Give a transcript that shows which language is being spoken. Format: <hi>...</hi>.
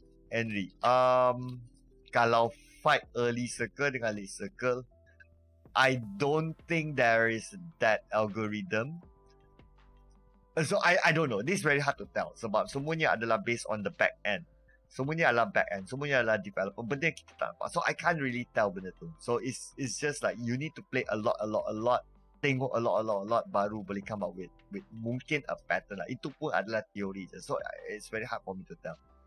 <en>Henry, kalau fight early circle dengan late circle, I don't think there is that algorithm. So I don't know. This is very hard to tell.</en> <ms>Sebab semuanya adalah</ms> <en>based on the back end.</en> <ms>Semuanya adalah developer. Benda yang kita tak nampak.</ms> <en>So I can't really tell</en> <ms>benda tu.</ms> <en>So it's just like you need to play a lot. Tengok a lot.</en> <ms>Baru boleh</ms> <en>come up with</en> <ms>mungkin</ms> <en>a pattern</en> <ms>lah. Itu pun adalah teori je.</ms> <en>So it's very hard for me to tell.</en>